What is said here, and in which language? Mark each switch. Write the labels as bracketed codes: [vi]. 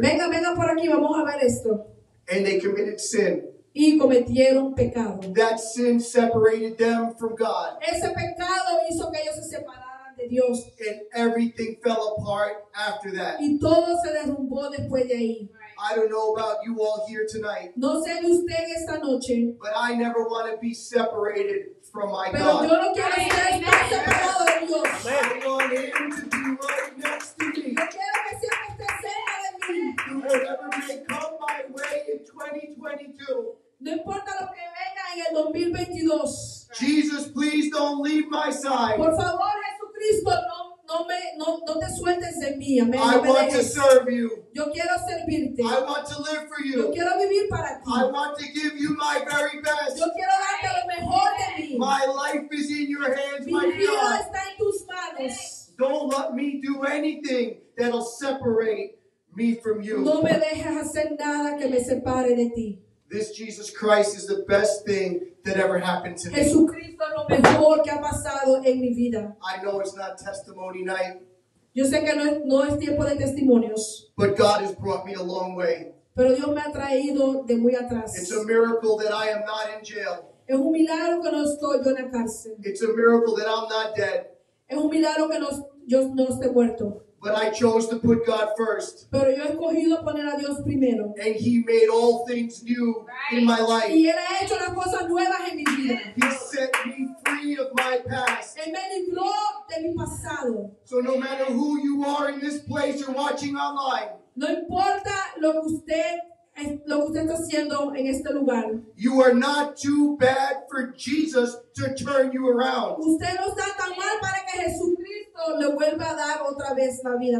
[es] Venga, venga por aquí, vamos a ver esto. [en] And they committed sin. [es] Y cometieron pecado. [en] That sin separated them from God. [es] Ese pecado hizo que ellos se separaran de Dios. [en] And everything fell apart after that. [es] Y todo se derrumbó después de ahí. [en] I don't know about you all here tonight. [es] No sé de usted esta noche. [en] But I never want to be separated from my [es] pero [en] God. [es] Pero yo no quiero estar separado de Dios. [en] I want Him to be right next to me. [es] Yo quiero que siempre esté cerca de mí. [en] Whatever may come my way in 2022. [es] No importa lo que venga en el 2022. [en] Jesus, please don't leave my side. [es] Por favor, Jesucristo. amén. [en] I want to serve you. [es] Yo quiero servirte. [en] I want to live for you. [es] Yo quiero vivir para ti. [en] I want to give you my very best. [es] Yo quiero darte lo mejor de mí. [en] My life is in your hands, [es] mi [en] my God. [es] Mi vida está en tus manos. [en] Don't let me do anything that'll separate me from you. [es] No me dejes hacer nada que me separe de ti. [en] This Jesus Christ is the best thing that ever happened to me. [es] Jesucristo es lo mejor que ha pasado en mi vida. [en] I know it's not testimony night. [es] Yo sé que no es tiempo de testimonios. [en] But God has brought me a long way. [es] Pero Dios me ha traído de muy atrás. [en] It's a miracle that I am not in jail. [es] Es un milagro que no estoy yo en la cárcel. [en] It's a miracle that I'm not dead. [es] Es un milagro que yo no esté muerto. [en] But I chose to put God first. [es] Pero yo he escogido poner a Dios primero. [en] And he made all things new right. in my life. [es] Y él ha hecho las cosas nuevas en mi vida. [en] He set me free of my past. [es] Él me libró de mi pasado. [en] So no matter who you are in this place or watching online. [es] No importa lo que usted está haciendo en este lugar. [en] You are not too bad for Jesus to turn you around. [es] Usted no está tan mal para que Jesucristo le vuelva a dar otra vez la vida.